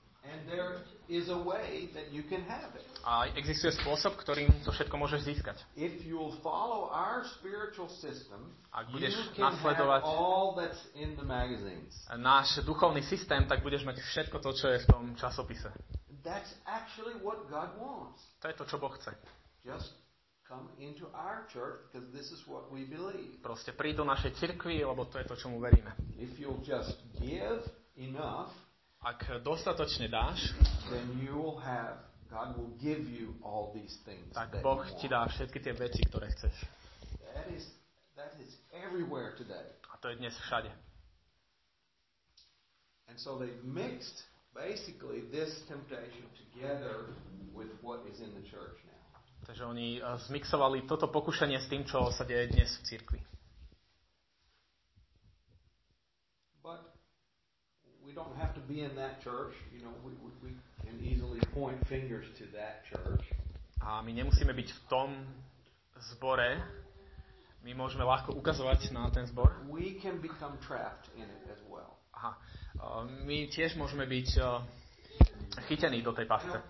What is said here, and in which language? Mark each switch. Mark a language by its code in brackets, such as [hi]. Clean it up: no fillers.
[en] And there is a way that you can have it. [sk] A existuje spôsob, ktorým to všetko môžeš získať. [en] If you'll follow our spiritual system, [sk] ak budeš nasledovať [en] all that's in the magazines. [sk] Náš duchovný systém, tak budeš mať všetko to, čo je v tom časopise. [en] That's actually what God wants. [sk] To je to, čo Boh chce. [en] Just come into our church because this is what we believe. [sk] Proste príď do našej cirkvi, lebo to je to, čomu veríme. [en] If you'll just give enough, [sk] ak dostatočne dáš, [en] then you will have, God will give you all these things. [sk] Tak Boh ti dá všetky tie veci, ktoré chceš. [en] That is everywhere today. [sk] A to je dnes všade. [en] And so they mixed basically this temptation together with what is in the church now. [sk] Takže oni zmixovali toto pokušenie s tým, čo sa deje dnes v cirkvi. [en] But we don't have to be in that church, you know, we can easily point fingers to that church. [sk] A my nemusíme byť v tom zbore. My môžeme ľahko ukazovať na ten zbor. [en] We can become trapped in it as well. Aha. [sk] My tiež môžeme byť chytení do tej pasce.